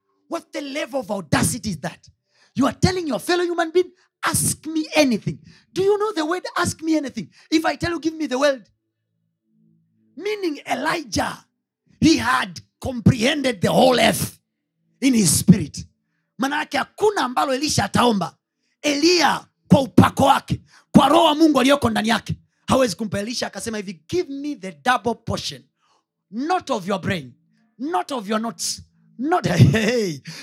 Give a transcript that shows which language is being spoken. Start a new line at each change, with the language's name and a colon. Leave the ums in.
English: what the level of audacity is that you are telling your fellow human being ask me anything. Do you know the word ask me anything? If I tell you, give me the world. Meaning Elijah, he had comprehended the whole earth in his spirit.
Swahili: Manake hakuna ambalo Elisha ataomba. Elia kwa upako wake, kwa roho wa Mungu aliyoko ndani yake, hawezi kumpa. Elisha akasema hivi,
English: give me the double portion, not of your brain, not of your notes, not hey, hey.